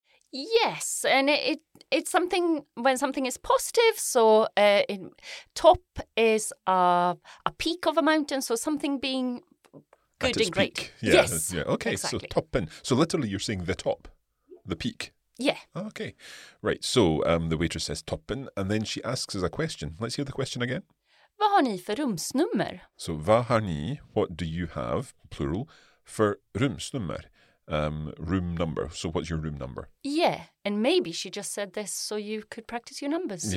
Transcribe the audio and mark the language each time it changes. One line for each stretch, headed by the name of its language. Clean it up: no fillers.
English: Yes, and it's something, when something is positive, so top is a peak of a mountain, so something being good and great. Yeah, yes, yeah. Okay, exactly. So toppen. So literally you're saying the top, the peak. Yeah. Okay, right. So the waitress says toppen, and then she asks us a question. Let's hear the question again.
Swedish: Vad har ni för rumsnummer?
English: So,
Swedish: vad har ni,
English: what do you have, plural,
Swedish: för rumsnummer?
English: Room number. So, what's your room number? Yeah, and maybe she just said this so you could practice your numbers.